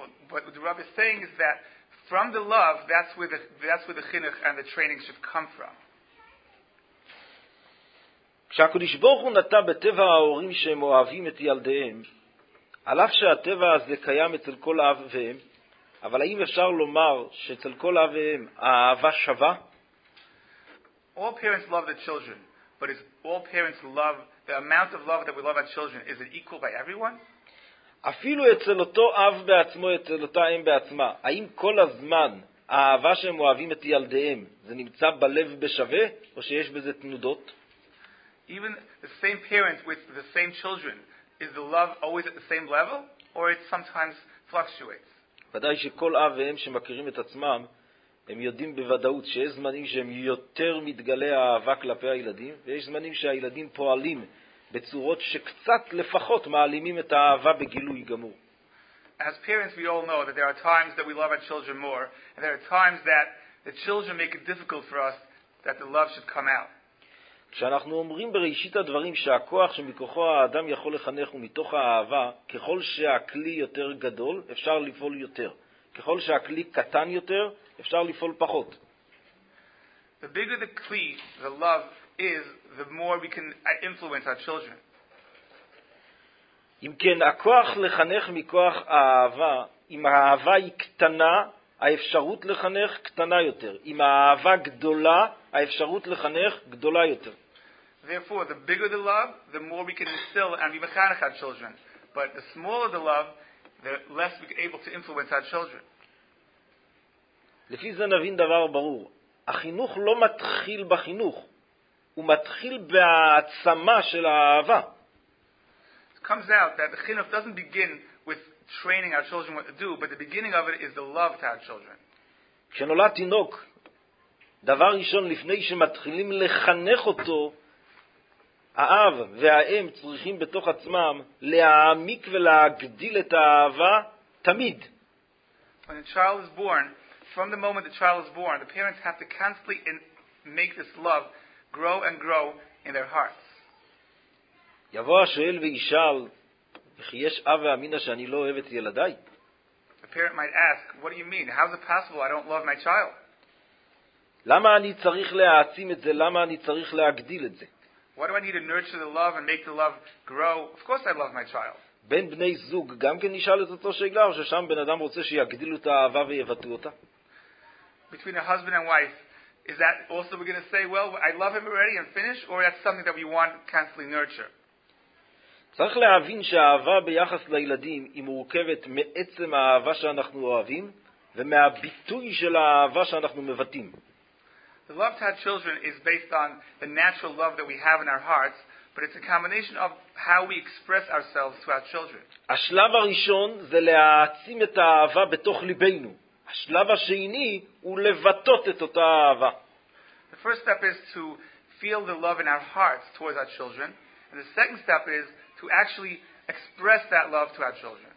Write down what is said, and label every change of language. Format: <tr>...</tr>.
<en>What the Rabbi is saying is that from the love, that's where the chinuch and the training should come from.</en> <he>כשהקדוש ברוך הוא נתן בטבע ההורים שהם אוהבים את ילדיהם, על אף שהטבע הזה קיים אצל כל אב והם, אבל האם אפשר לומר שאצל כל אב והם האהבה שווה?</he> <en>All parents love their children, but is all parents' love, the amount of love that we love our children, is it equal by everyone?</en> <he>אפילו אצל אותו אב בעצמו, אצל אותה אם בעצמה, האם כל הזמן האהבה שהם אוהבים את ילדיהם, זה נמצא בלב בשווה, או שיש בזה תנודות?</he> <en>Even the same parents with the same children, is the love always at the same level, or it sometimes fluctuates?</en> <he>ודאי שכל אב והם שמכירים את עצמם, הם יודעים בוודאות שיש זמנים שהם יותר מתגלי האהבה כלפי הילדים, ויש זמנים שהילדים פועלים בצורות שקצת לפחות מעלימים את האהבה בגילוי גמור.</he> <en>As parents, we all know that there are times that we love our children more, and there are times that the children make it difficult for us that the love should come out.</en> <he>כשאנחנו אומרים בראשית הדברים שהכוח שמכוחו האדם יכול לחנך הוא מתוך האהבה, ככל שהכלי יותר גדול, אפשר לפעול יותר. ככל שהכלי קטן יותר, אפשר לפעול פחות.</he> <en>The bigger the clay, the love is, the more we can influence our children.</en> <he>אם כן, הכוח לחנך מכוח האהבה, אם האהבה היא קטנה, האפשרות לחנך קטנה יותר. אם האהבה גדולה, האפשרות לחנך גדולה יותר.</he> <en>Therefore, the bigger the love, the more we can instill and we mechanic our children. But the smaller the love, the less we're able to influence our children.</en> <he>לפי זה נבין דבר ברור. החינוך לא מתחיל בחינוך. הוא מתחיל בעצמה של האהבה.</he> <en>It comes out that the chinuch doesn't begin with training our children what to do, but the beginning of it is the love to our children.</en> <he>כשנולד תינוק, דבר ראשון לפני שמתחילים לחנך אותו, האב והאם צריכים בתוך עצמם להעמיק ולהגדיל את האהבה תמיד.</he> <en>When a child is born, from the moment the child is born, the parents have to constantly make this love grow and grow in their hearts.</en> <he>יבוא השואל וישאל, כי יש אב ואמינה שאני לא אוהב את ילדיי?</he> <en>A parent might ask, what do you mean? How is it possible I don't love my child? למה אני צריך להעצים את זה? למה אני צריך להגדיל את זה? Why do I need to nurture the love and make the love grow? Of course I love my child.</en> <he>בין בני זוג גם כן נשאל את אותו שאלה, או ששם בן אדם רוצה שיגדילו את האהבה ויבטאו אותה?</he> <en>Between a husband and wife, is that also we're going to say, well, I love him already and finish, or that's something that we want to constantly nurture?</en> <he>צריך להבין שהאהבה ביחס לילדים היא מורכבת מעצם האהבה שאנחנו אוהבים ומהביטוי של האהבה שאנחנו מבטאים.</he> <en>The love to our children is based on the natural love that we have in our hearts, but it's a combination of how we express ourselves to our children.</en> <he>השלב הראשון זה להעצים את האהבה בתוך ליבנו. השלב השני הוא לבטא את אותה אהבה.</he> <en>The first step is to feel the love in our hearts towards our children, and the second step is to actually express that love to our children.</en>